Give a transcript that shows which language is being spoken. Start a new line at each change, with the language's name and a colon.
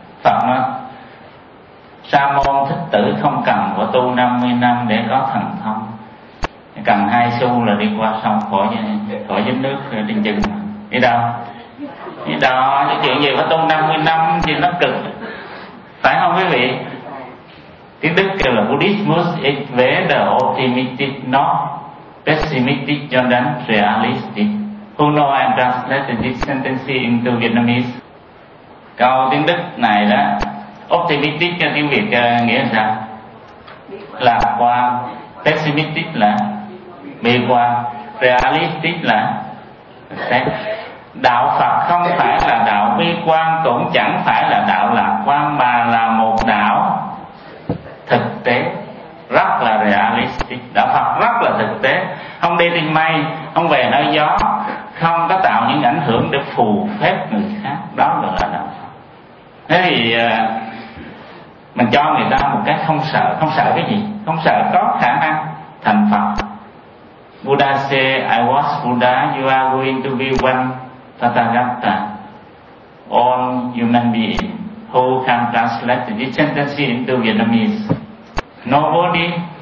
Vietnamese: Phật nói: Sa môn Thích Tử không cần phải tu 50 năm để có thần thông, cần 2 xu là đi qua sông khỏi dính nước đi chừng đi đâu. Cái đó, cái chuyện gì phải tu 50 năm thì nó cực, phải không quý vị? Tiếng Đức kêu là
English: Buddhism is the optimistic, not pessimistic,
Vietnamese: cho đến
English: realistic. Who know I'm translating this sentence into Vietnamese?
Vietnamese: Câu tiếng Đức này đó, optimistic cho tiếng Việt nghĩa là sao? Là qua, pessimistic là bi quan, realistic là xét. Đạo Phật không phải là đạo bi quan, cũng chẳng phải là đạo lạc quan, mà là một đạo thực tế, rất là realistic. Đạo Phật rất là thực tế, không đi trên mây, không về nơi gió, không có tạo những ảnh hưởng để phù phép người khác, đó là đạo Phật. Thế thì mình cho người ta một cái không sợ. Không sợ cái gì? Không sợ có khả năng thành Phật.
English: Buddha say, I was Buddha, you are going to be one Tathagata, all human being. Who can translate this sentence into Vietnamese? Nobody.